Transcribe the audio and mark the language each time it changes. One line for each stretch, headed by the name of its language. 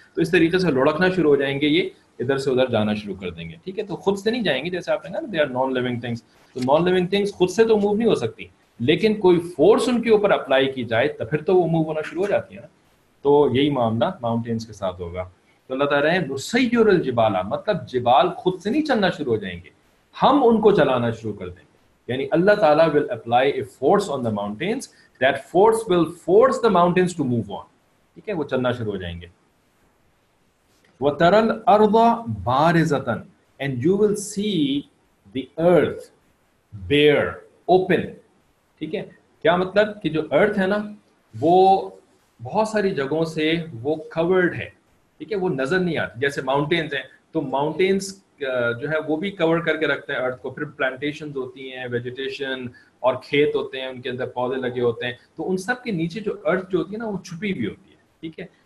Urdu: تو اس طریقے سے لڑکنا شروع ہو جائیں گے, یہ ادھر سے ادھر جانا شروع کر دیں گے, ٹھیک ہے. تو خود سے نہیں جائیں گے, جیسے آپ نے کہا نا they are non living things, تو نان لیونگ تھنگس خود سے تو موو نہیں ہو سکتی, لیکن کوئی فورس ان کے اوپر اپلائی کی جائے تو پھر تو وہ موو ہونا شروع ہو جاتی ہے نا. تو یہی معاملہ ماؤنٹینس کے ساتھ ہوگا. تو اللہ تعالیٰ ہے
Arabic: نسیر الجبال,
Urdu: مطلب جبال خود سے نہیں چلنا شروع ہو جائیں گے, ہم ان کو چلانا شروع کر دیں گے. یعنی اللہ تعالیٰ
English: will apply a force on the mountains, that force will force the mountains to move on,
Urdu: ٹھیک ہے, وہ چلنا شروع ہو جائیں گے.
Arabic: وَتَرَ الْأَرْضَ بَارِزَةً
English: and you will see the earth bare, open,
Urdu: ٹھیک ہے. کیا مطلب کہ جو ارتھ ہے نا وہ بہت ساری جگہوں سے وہ کورڈ ہے, ٹھیک ہے, وہ نظر نہیں آتی. جیسے ماؤنٹینز ہیں تو ماؤنٹینز جو ہے وہ بھی کور کر کے رکھتے ہیں ارتھ کو, پھر پلانٹیشنز ہوتی ہیں, ویجیٹیشن اور کھیت ہوتے ہیں, ان کے اندر پودے لگے ہوتے ہیں, تو ان سب کے نیچے جو ارتھ جو ہوتی ہے نا وہ چھپی بھی ہوتی ہے, ٹھیک ہے.